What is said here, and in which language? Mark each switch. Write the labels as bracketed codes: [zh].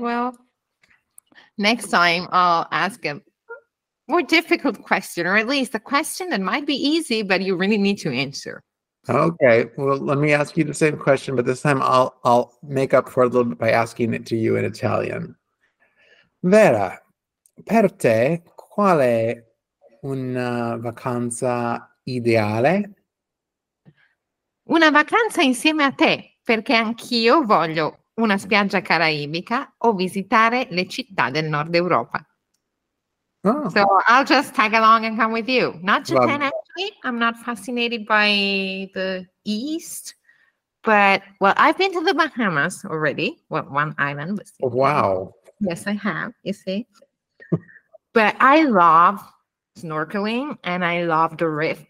[en] Well, next time I'll ask a more difficult question, or at least a question that might be easy, but you really need to answer. Okay, well, let me ask you the same question, but this time I'll make up for it a little bit by asking it to you in Italian. [it] Vera, per te, qual è una vacanza ideale? Una vacanza insieme a te, perché anch'io voglio una spiaggia caraibica o visitare le città del Nord Europa. Oh. [en] So I'll just tag along and come with you. Not Japan, actually. I'm not fascinated by the East. But, well, I've been to the Bahamas already. Well, one island. But wow. Yes, I have, you see. But I love snorkeling and I love the reef.